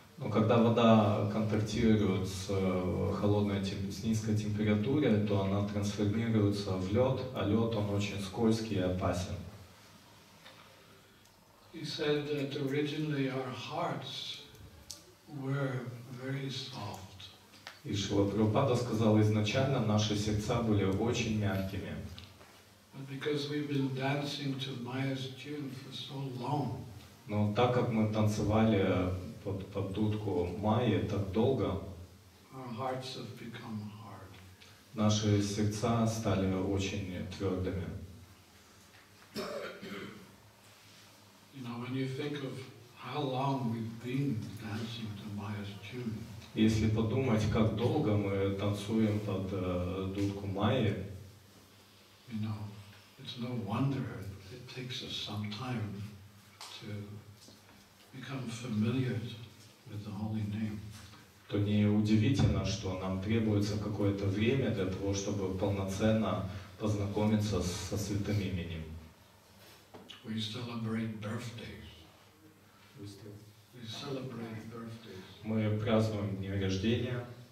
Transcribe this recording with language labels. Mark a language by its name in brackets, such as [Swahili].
[Russian] когда вода контактирует с холодной, с низкой температурой, то она трансформируется в лед, а лед он очень скользкий и опасен. [English] He said that originally our hearts were very soft. [Russian] И Шрила Прабхупада сказал, изначально наши сердца были очень мягкими. [English] But because we've been dancing to Maya's tune for so long. [Russian] Но так как мы танцевали под дудку Майи так долго, [English] our hearts have become hard. [Russian] Наши сердца стали очень твердыми. [English] You know, when you think of how long we've been dancing to Maya's tune. [Russian] Если подумать, как долго мы танцуем под дудку Майи, [English] you know, it's no wonder it takes us some time to become familiar with the holy name. [Russian] То не удивительно, что нам требуется какое-то время для того, чтобы полноценно познакомиться со святым именем. [English] We celebrate birthdays. [Russian] Мы празднуем дни рождения.